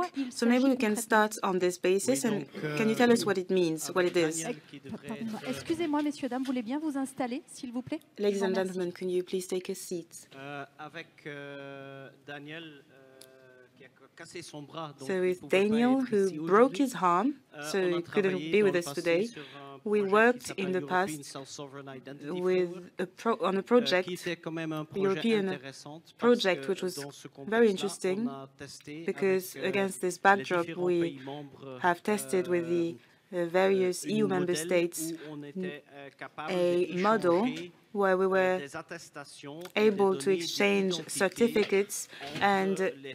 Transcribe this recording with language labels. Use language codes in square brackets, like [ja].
[en] So maybe we can start on this basis, and can you tell us what it means, what it is? [fr] Excusez-moi, messieurs, dames, voulez bien vous installer, s'il vous plaît? [en] Ladies and gentlemen, can you please take a seat? [fr] Avec Daniel, qui a cassé son bras, donc [en] so with Daniel, who broke his arm, so he couldn't be with us today. We worked in the past with a project, which was very interesting because against this backdrop we have tested with the various EU member states a model where we were able to exchange certificates and